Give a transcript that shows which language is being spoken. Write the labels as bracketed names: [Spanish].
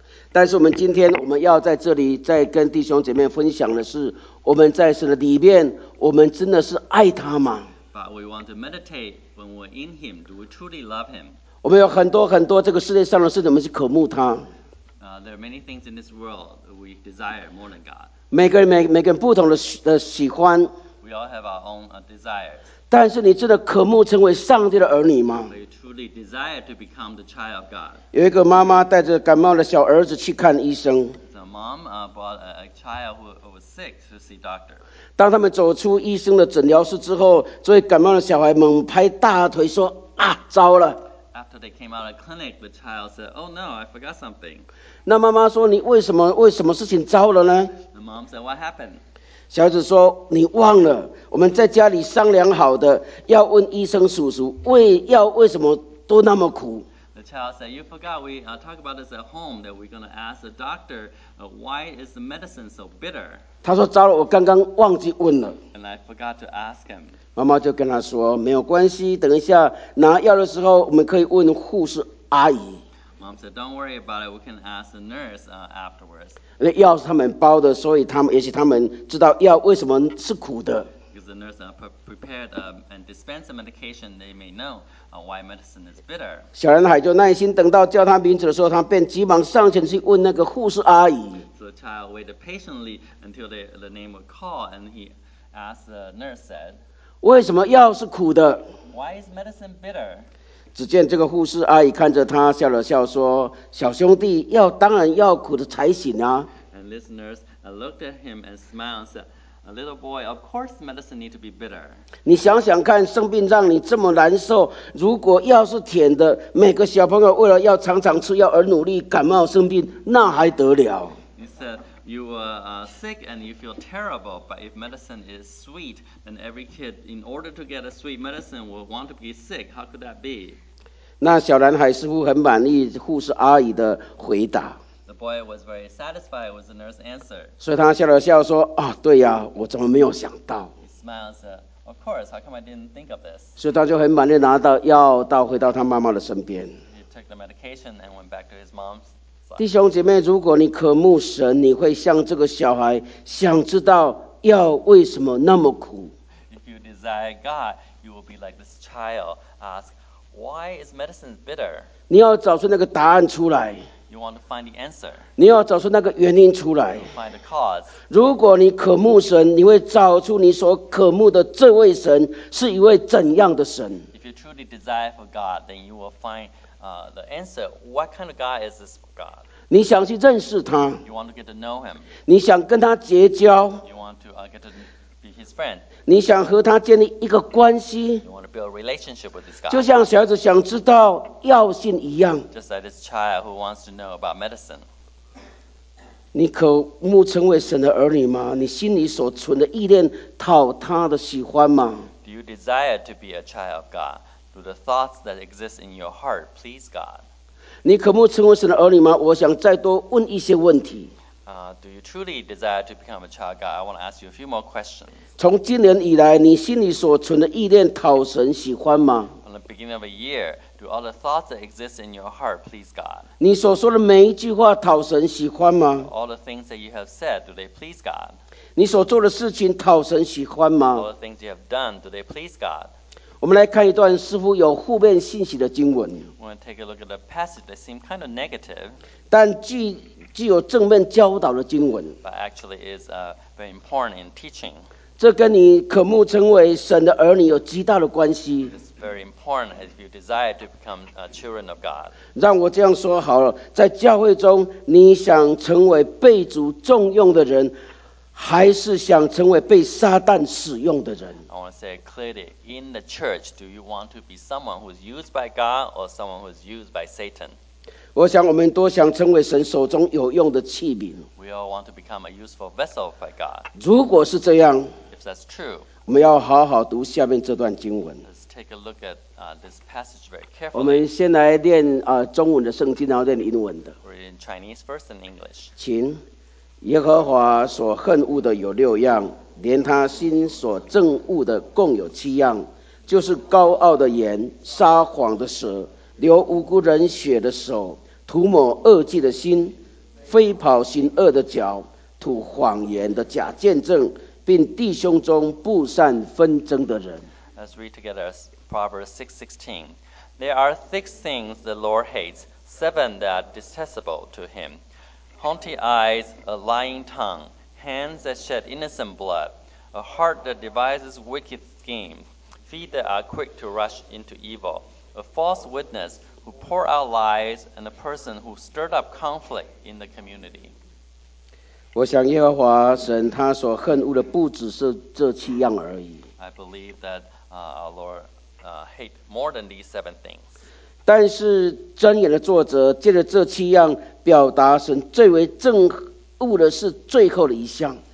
[Chinese] 但是我们今天我们要在这里再跟弟兄姐妹分享的是，我们在神的里面，我们真的是爱他吗？我们有很多很多这个世界上的事，我们是渴慕他。 [English] There are many things in this world we desire more than God. [Chinese] 每个人不同的喜欢。 [English] We all have our own desires. [Chinese] 但是你真的渴慕成为上帝的儿女吗？ [English] You truly desire to become the child of God. [Chinese] 有一个妈妈带着感冒的小儿子去看医生。 [English] The mom brought a child who was sick to see doctor. [Chinese] 当他们走出医生的诊疗室之后，这位感冒的小孩猛拍大腿说：“啊，糟了！” [English] After they came out of clinic, the child said, "Oh no, I forgot something." [Chinese] 那妈妈说你为什么事情糟了呢？ [English] The mom said, "What happened?" [Chinese] 小孩子说你忘了，我们在家里商量好的，要问医生叔叔为什么都那么苦。 [English] The child said, you forgot we talk about this at home, that we're going to ask the doctor, why is the medicine so bitter? [Chinese] 他说糟了，我刚刚忘记问了。 [English] And I forgot to ask him. [Chinese] 妈妈就跟他说，没有关系，等一下拿药的时候，我们可以问护士阿姨。 [English] Mom said, don't worry about it, we can ask the nurse afterwards. [Chinese] 那药是他们包的，所以他们也许他们知道药为什么是苦的。 [English] Because the nurse prepared and dispensed the medication, they may know why medicine is bitter. [Chinese] 小男孩就耐心等到叫他名字的时候，他便急忙上前去问那个护士阿姨。 [English] So the child waited patiently until the name was called, and he asked the nurse, said, [Chinese] 为什么药是苦的？ [English] Why is medicine bitter? [Chinese] 只见这个护士阿姨看着他笑了笑说，小兄弟，药当然要苦的才行啊。 [English] And this nurse looked at him and smiled and said, a little boy, of course medicine needs to be bitter. [Chinese] 你想想看，生病让你这么难受，如果药是甜的，每个小朋友为了要常常吃药而努力感冒生病，那还得了。 [English] You were sick and you feel terrible, but if medicine is sweet, then every kid, in order to get a sweet medicine, will want to be sick. How could that be? [Chinese] 那小男孩似乎很满意护士阿姨的回答。 [English] The boy was very satisfied with the nurse's answer. [Chinese] 所以他笑了笑说，啊，对呀，我怎么没有想到。 [English] He smiled and said, of course, how come I didn't think of this? [Chinese] 所以他就很满意拿到药到回到他妈妈的身边。 [English] He took the medication and went back to his mom's. [Chinese] 弟兄姐妹，如果你渴慕神，你会像这个小孩，想知道药为什么那么苦。 [English] If you desire God, you will be like this child, ask, why is medicine bitter? [Chinese] 你要找出那个答案出来。 [English] You want to find the answer. [Chinese] 你要找出那个原因出来。 [English] You find the cause. [Chinese] 如果你渴慕神，你会找出你所渴慕的这位神是一位怎样的神。 [English] If you truly desire for God, then you will find. The answer, what kind of God is this God? [Chinese] 你想去认识他。 [English] You want to get to know him. [Chinese] 你想跟他结交。 [English] You want to get to be his friend. [Chinese] 你想和他建立一个关系。 [English] You want to build a relationship with this God. [Chinese] 就像小孩子想知道药性一样。 [English] Just like this child who wants to know about medicine. [Chinese] 你渴慕成为神的儿女吗？你心里所存的意念讨他的喜欢吗？ [English] Do you desire to be a child of God? The thoughts that exist in your heart, please God. [Chinese] 你渴慕成为神的儿女吗？我想再多问一些问题。 [English] Do you truly desire to become a child of God? I want to ask you a few more questions. [Chinese] 从今年以来，你心里所存的意念讨神喜欢吗？ [English] From the beginning of a year, do all the thoughts that exist in your heart, please God? [Chinese] 你所说的每一句话讨神喜欢吗？ [English] All the things that you have said, do they please God? [Chinese] 你所做的事情讨神喜欢吗？ [English] All the things you have done, do they please God? [Chinese] 我们来看一段似乎有负面信息的经文。 [English] We'll take a look at the passage that seems kind of negative. [Chinese] 但具有正面教导的经文。 [English] But actually is very important in teaching. [Chinese] 这跟你渴慕成为神的儿女有极大的关系。 [English] It's very important if you desire to become children of God. [Chinese] 让我这样说好了，在教会中，你想成为被主重用的人，还是想成为被撒旦使用的人？ [English] I want to say clearly, in the church, do you want to be someone who is used by God or someone who is used by Satan? [Chinese] 我想我们多想成为神手中有用的器皿。 [English] We all want to become a useful vessel by God. [Chinese] 如果是这样， [English] if that's true, [Chinese] 我们要好好读下面这段经文。 [English] Let's take a look at this passage very carefully. [Chinese] 我们先来念中文的圣经，然后念英文的。 [English] We're in Chinese first and English. [Chinese] 请。耶和华所恨恶的有六样，连他心所憎恶的共有七样，就是高傲的言、撒谎的舌、流无辜人血的手、涂抹恶迹的心、飞跑行恶的脚、吐谎言的假见证，并弟兄中不善纷争的人。 [English] Let's read together Proverbs 6:16. There are six things the Lord hates, seven that are detestable to him. Haughty eyes, a lying tongue, hands that shed innocent blood, a heart that devises wicked schemes, feet that are quick to rush into evil, a false witness who pour out lies, and a person who stirred up conflict in the community. [Chinese] 我想耶和华神他所恨恶的不只是这七样而已。 [English] I believe that our Lord hate more than these seven things. [Chinese] 但是箴言的作者借着这七样表达神最为憎恶的是最后的一项。